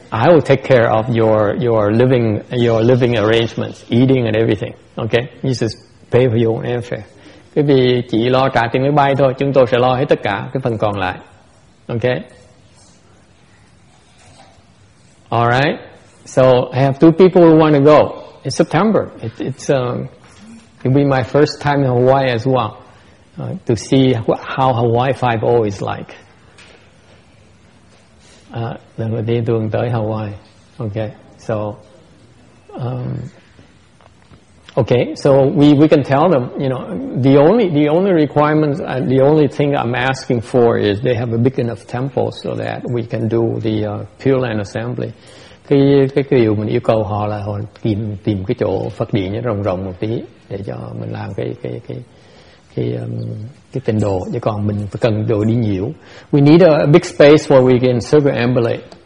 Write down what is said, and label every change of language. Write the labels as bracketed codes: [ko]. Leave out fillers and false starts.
[en] I will take care of your living arrangements, eating and everything. Okay, you just pay for your own airfare. [vi] Quý vị chỉ lo trả tiền máy bay thôi. Chúng tôi sẽ lo hết tất cả cái phần còn lại. [en] Okay. All right. So I have two people who want to go. It's September. It'll be my first time in Hawaii as well, to see how Hawaii 5.0 is like. [vi] Lần đầu tiên tôi tới Hawaii. [en] Okay. So. Okay. So we can tell them. You know, the only requirements, the only thing I'm asking for is they have a big enough temple so that we can do the Pure Land Assembly. [vi] Cái điều mình yêu cầu họ là họ tìm cái chỗ Phật điện nó rộng một tí để cho mình làm cái tịnh độ, chứ còn mình cần đồ đi nhiều. [en] We need a big space where we can circumambulate.